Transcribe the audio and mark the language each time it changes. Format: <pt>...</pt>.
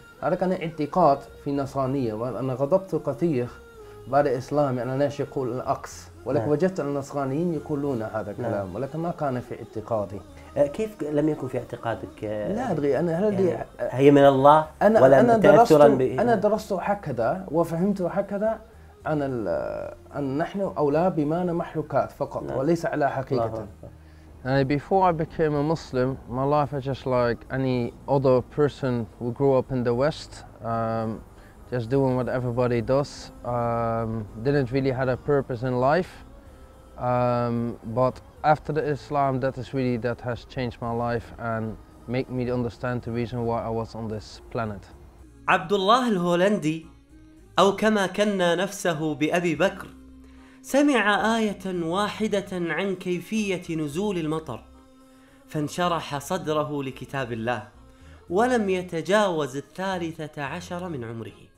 <ar>هذا كان اعتقاد في النصرانية، وأنا غضبت كثير بعد الإسلام أن الناس يقول العكس، ولكن وجدت النصرانيين يقولون هذا الكلام، ولكن ما كان في اعتقادي. كيف لم يكن في اعتقادك؟ لا أدري أنا هل يعني هي من الله؟ أنا درست أنا درست هكذا وفهمت هكذا أن نحن أولاد بما نمحلوكات فقط وليس على حقيقة.</ar> <en>And before I became a Muslim, my life was just like any other person who grew up in the West, just doing what everybody does. Didn't really have a purpose in life. But after the Islam, that is really that has changed my life and made me understand the reason why I was on this planet.</en> <ar>Abdullah al-Hollandi, أو كما كنا نفسه بأبي بكر. سمع آية واحدة عن كيفية نزول المطر فانشرح صدره لكتاب الله ولم يتجاوز 13 من عمره.</ar>